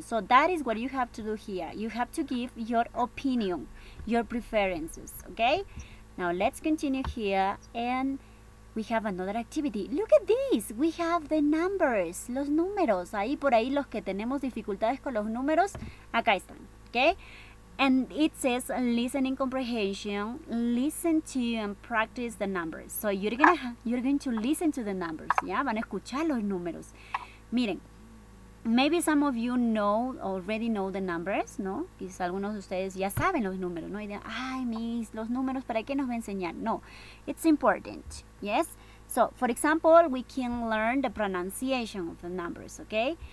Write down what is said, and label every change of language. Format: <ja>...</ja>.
<en>So that is what you have to do here. You have to give your opinion, your preferences, okay? Now let's continue here, and we have another activity. Look at this. We have the numbers, los números.</en> <es>Ahí por ahí los que tenemos dificultades con los números, acá están, okay?</es> <en>And it says listening comprehension, listen to and practice the numbers. So you're going to listen to the numbers, ¿ya?</en> <es>Van a escuchar los números.</es> <en>Miren, maybe some of you already know the numbers, ¿no?</en> <es>Quizás algunos de ustedes ya saben los números, ¿no? Y dicen, ay, mis, los números, ¿para qué nos va a enseñar?</es> <en>No, it's important, ¿yes? So, for example, we can learn the pronunciation of the numbers, okay?</en>